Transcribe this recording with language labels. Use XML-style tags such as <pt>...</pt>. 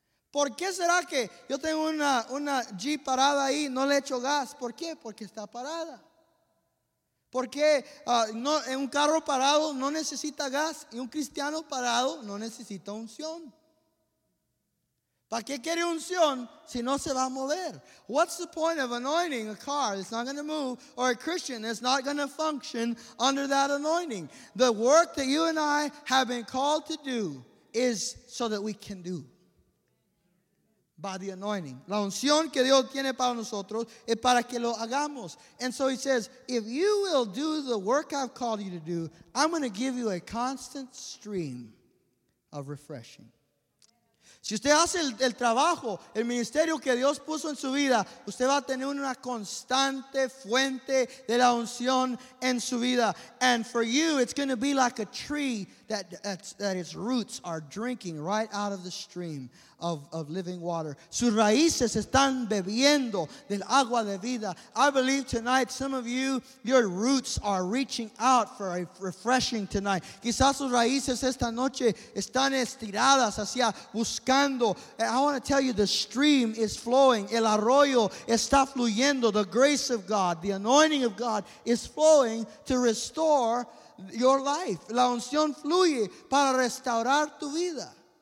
<es>¿Por qué será que yo tengo una Jeep parada ahí, no le echo gas? ¿Por qué? Porque está parada. ¿Por qué un carro parado no necesita gas y un cristiano parado no necesita unción? ¿Para qué quiere unción si no se va a mover?</es> <en>What's the point of anointing a car that's not going to move, or a Christian that's not going to function under that anointing? The work that you and I have been called to do is so that we can do. By the anointing.</en> <es>La unción que Dios tiene para nosotros es para que lo hagamos.</es> <en>And so he says, if you will do the work I've called you to do, I'm going to give you a constant stream of refreshing.</en> <es>Si usted hace el trabajo, el ministerio que Dios puso en su vida, usted va a tener una constante fuente de la unción en su vida.</es> <en>And for you, it's going to be like a tree that its roots are drinking right out of the stream of living water.</en> <es>Sus raíces están bebiendo del agua de vida.</es> <en>I believe tonight some of you, your roots are reaching out for a refreshing tonight.</en> <es>Quizás sus raíces esta noche están estiradas hacia buscando.</es> <en>And I want to tell you, the stream is flowing.</en> <es>El arroyo está fluyendo.</es> <en>The grace of God, the anointing of God is flowing to restore your life.</en> <es>La unción fluye para restaurar tu vida.</es>